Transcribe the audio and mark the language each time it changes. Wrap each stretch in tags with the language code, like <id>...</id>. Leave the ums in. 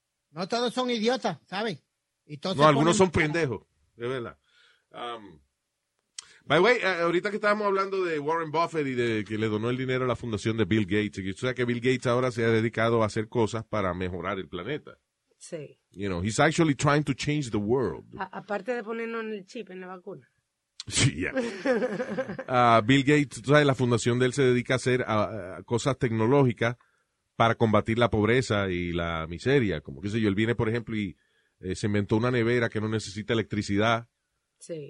<es>No todos son idiotas, ¿sabes? Y todos no, algunos son cara. pendejos, de verdad. Um,</es> <en>by the way,</en> <es>ahorita que estábamos hablando de Warren Buffett y de que le donó el dinero a la fundación de Bill Gates, que, o sea, que Bill Gates ahora se ha dedicado a hacer cosas para mejorar el planeta. Sí.</es> <en>You know, he's actually trying to change the world.</en> <es>A aparte de ponernos en el chip, en la vacuna. Sí, yeah. uh, Bill Gates, ¿tú sabes? la fundación de él se dedica a hacer a, a cosas tecnológicas para combatir la pobreza y la miseria. Como que sé yo, él viene, por ejemplo, y eh, se inventó una nevera que no necesita electricidad sí.</es>